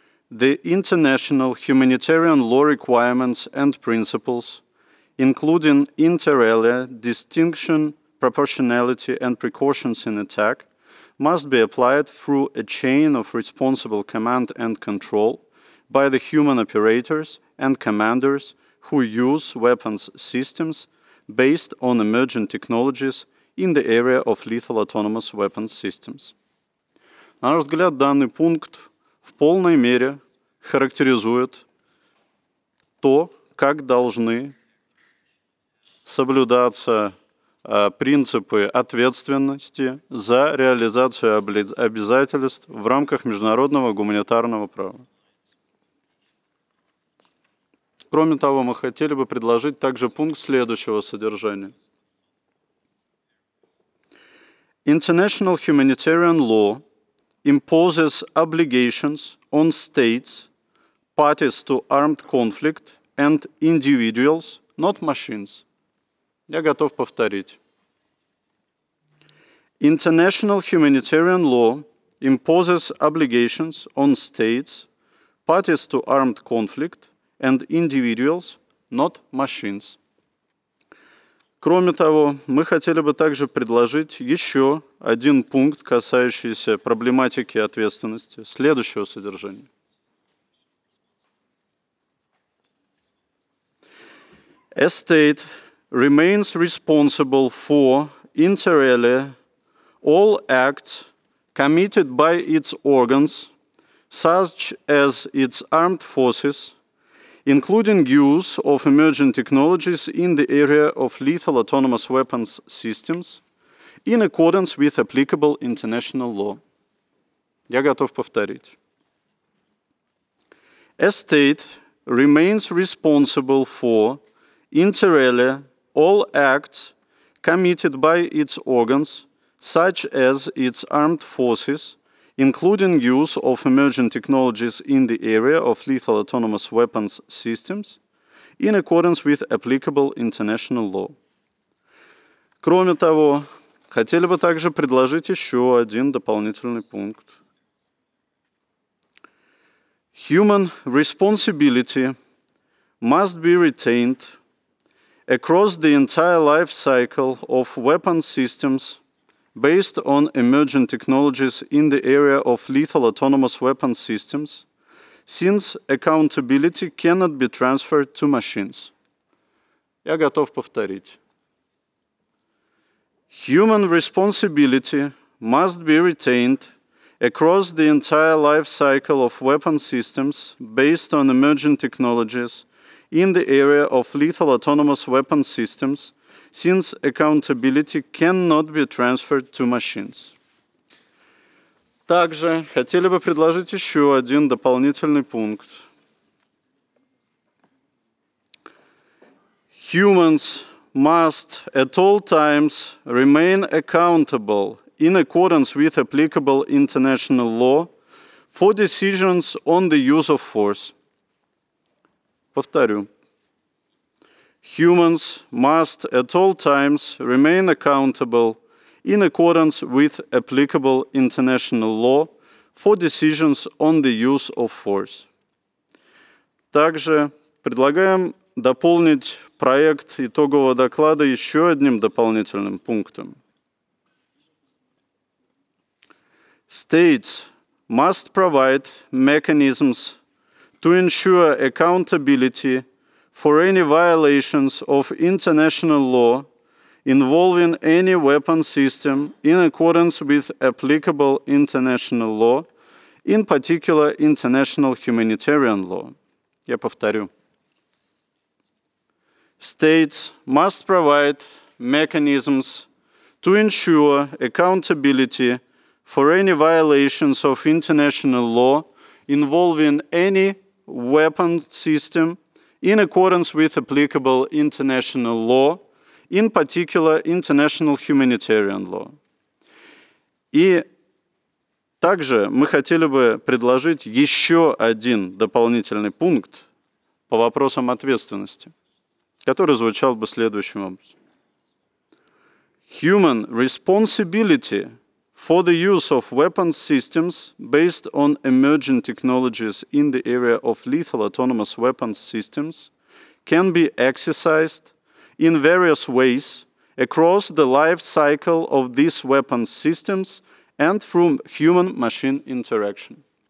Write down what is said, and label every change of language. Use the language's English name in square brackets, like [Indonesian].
[English] The international humanitarian law requirements and principles, including inter alia distinction, proportionality and precautions in attack, must be applied through a chain of responsible command and control by the human operators and commanders who use weapons systems based on emerging technologies in the area of lethal autonomous weapons systems. [Russian] На наш взгляд, данный пункт в полной мере характеризует то, как должны соблюдаться принципы ответственности за реализацию обязательств в рамках международного гуманитарного права. Кроме того, мы хотели бы предложить также пункт следующего содержания. [English] International humanitarian law imposes obligations on states, parties to armed conflict, and individuals, not machines. [Russian] Я готов повторить. [English] International humanitarian law imposes obligations on states, parties to armed conflict, and individuals, not machines. [Russian] Кроме того, мы хотели бы также предложить еще один пункт, касающийся проблематики ответственности, следующего содержания. [English] A state remains responsible for inter alia all acts committed by its organs, such as its armed forces, including use of emerging technologies in the area of lethal autonomous weapons systems, in accordance with applicable international law. [Russian] Я готов повторить. [English] A state remains responsible for inter alia all acts committed by its organs, such as its armed forces, including use of emerging technologies in the area of lethal autonomous weapons systems, in accordance with applicable international law. [Russian] Кроме того, хотели бы также предложить еще один дополнительный пункт. [English] Human responsibility must be retained across the entire life cycle of weapon systems based on emerging technologies in the area of lethal autonomous weapon systems, since accountability cannot be transferred to machines. [Russian] Я готов повторить. [English] Human responsibility must be retained across the entire life cycle of weapon systems based on emerging technologies in the area of lethal autonomous weapon systems, since accountability cannot be transferred to machines. [Russian] Также хотели бы предложить еще один дополнительный пункт. [English] Humans must at all times remain accountable in accordance with applicable international law for decisions on the use of force. [Russian] Повторю. [English] Humans must at all times remain accountable in accordance with applicable international law for decisions on the use of force. [Russian] Также предлагаем дополнить проект итогового доклада еще одним дополнительным пунктом. [English] States must provide mechanisms to ensure accountability for any violations of international law involving any weapon system in accordance with applicable international law, in particular international humanitarian law. [Russian] Я повторю. [English] States must provide mechanisms to ensure accountability for any violations of international law involving any weapon system in accordance with applicable international law, in particular international humanitarian law. [Russian] И также мы хотели бы предложить еще один дополнительный пункт по вопросам ответственности, который звучал бы следующим образом. [English] Human responsibility for the use of weapons systems based on emerging technologies in the area of lethal autonomous weapons systems can be exercised in various ways across the life cycle of these weapons systems and through human-machine interaction.